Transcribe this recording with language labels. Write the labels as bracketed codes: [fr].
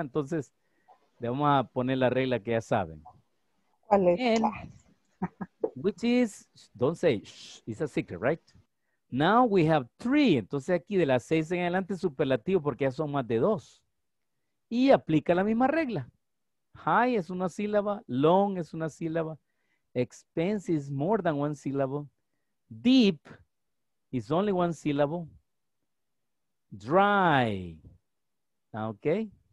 [es] Entonces, le vamos a poner la regla que ya saben. ¿Cuál es? [en] Which is, don't say, it's a secret, right? Now we have three. [es] Entonces aquí de las seis en adelante superlativo porque ya son más de dos. Y aplica la misma regla. High es una sílaba, long es una sílaba, [en] expensive is more than one syllable, deep is only one syllable, dry. [es] Okay.